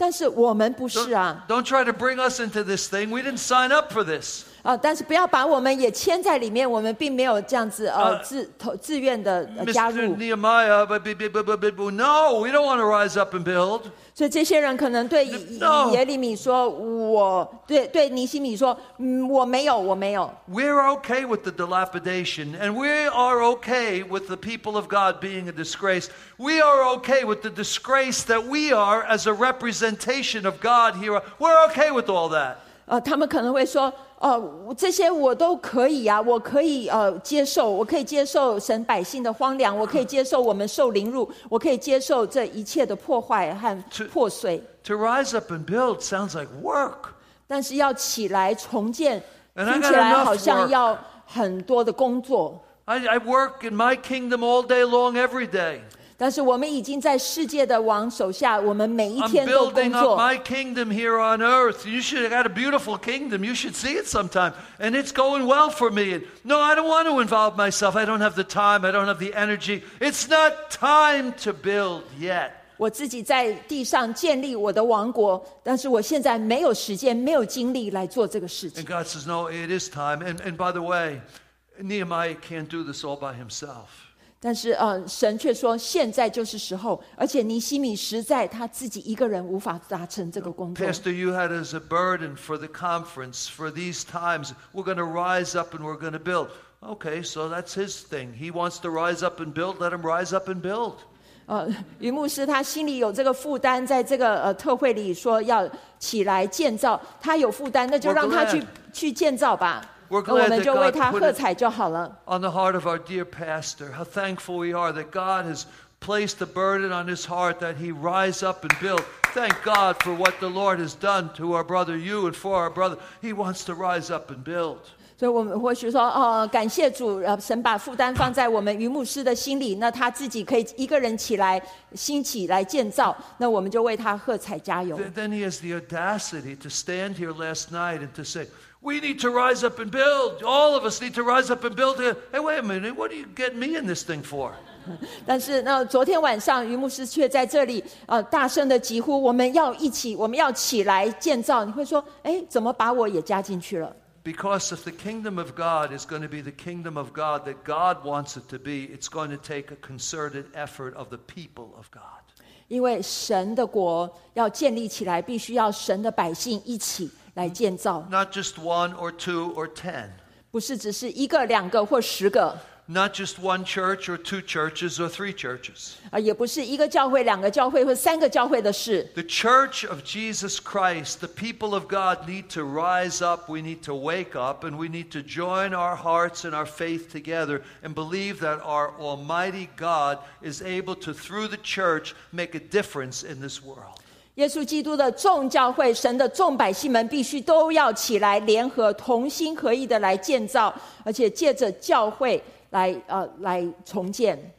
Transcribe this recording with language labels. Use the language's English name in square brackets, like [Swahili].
[Chinese] 但是我可以想象圣经没有这样写门徒可能会说耶稣你搞错了的确你是世上的光这样很好但是我们不是啊。 [English] Don't try to bring us into this thing. We didn't sign up for this. [Chinese] 但是不要把我们也牵在里面我们并没有这样子自愿的加入。 [English] Mr. Nehemiah, no, we don't want to rise up and build. [Chinese] 所以这些人可能对耶利米说我没有。 [English] We're okay with the dilapidation and we are okay with the people of God being a disgrace. We are okay with the disgrace that we are as a representation of God here. We're okay with all that. [Chinese] 他们可能会说, 这些我都可以啊,我可以接受神百姓的荒凉, 我可以接受我们受凌辱, 我可以接受这一切的破坏和破碎。 [English] To rise up and build sounds like work. [Chinese] 但是要起来重建, [English] and I got enough work. [Chinese] 听起来好像要很多的工作。 [English] I work in my kingdom all day long, every day. [Chinese] 但是我们已经在世界的王手下, 我们每一天都工作。 [English] I'm building up my kingdom here on earth. You should have got a beautiful kingdom. You should see it sometime. And it's going well for me. No, I don't want to involve myself. I don't have the time. I don't have the energy. It's not time to build yet. [Chinese] 我自己在地上建立我的王国，但是我现在没有时间，没有精力来做这个事情。 [English] And God says, no, it is time. And by the way, Nehemiah can't do this all by himself. [Chinese] 但是神却说现在就是时候，而且尼希米实在他自己一个人无法达成这个工作。 [English] Pastor, you had as a burden for the conference, for these times, we're going to rise up and we're going to build. Okay, so that's his thing. He wants to rise up and build, let him rise up and build. [Chinese] 余牧师他心里有这个负担，在这个特会里说要起来建造，他有负担，那就让他 去建造吧。我们就为他喝彩就好了。 [English] On the heart of our dear pastor, how thankful we are that God has placed the burden on his heart that he rise up and build. Thank God for what the Lord has done to our brother you and for our brother. He wants to rise up and build. [Chinese] 所以我们或许说感谢主，神把负担放在我们余牧师的心里，那他自己可以一个人起来兴起来建造，那我们就为他喝彩加油。 [English] Then he has the audacity to stand here last night and to say, we need to rise up and build, all of us need to rise up and build here. Hey, wait a minute, what are you getting me in this thing for? [Chinese] 但是那昨天晚上余牧师却在这里大声的疾呼，我们要一起，我们要起来建造。你会说怎么把我也加进去了？ [English] Because if the kingdom of God is going to be the kingdom of God that God wants it to be, it's going to take a concerted effort of the people of God. [Chinese] 因为神的国要建立起来，必须要神的百姓一起来建造。 [English] Not just one or two or ten. [Chinese] 不是只是一个、两个或十个。 [English] Not just one church or two churches or three churches. [Chinese] 也不是一个教会、两个教会或三个教会的事。 [English] The church of Jesus Christ, the people of God need to rise up, we need to wake up, and we need to join our hearts and our faith together and believe that our Almighty God is able to, through the church, make a difference in this world. [Chinese] 耶稣基督的众教会，神的众百姓们必须都要起来，联合同心合意的来建造，而且借着教会来重建。